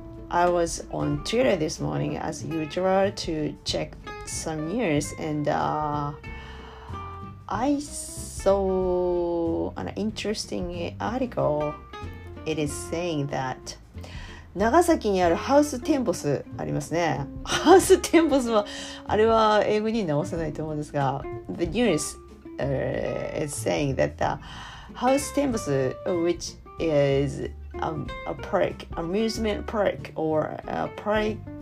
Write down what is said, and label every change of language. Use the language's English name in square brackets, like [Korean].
[English] I was on Twitter this morning as usual to checkSome news, and I saw an interesting article. It is saying that [Japanese] 長崎にあるハウステンボスありますね。ハウステンボスはあれは英語に直せないと思うんですが、 [English] The news is saying that the house tembus, which is a park, amusement park, or a park.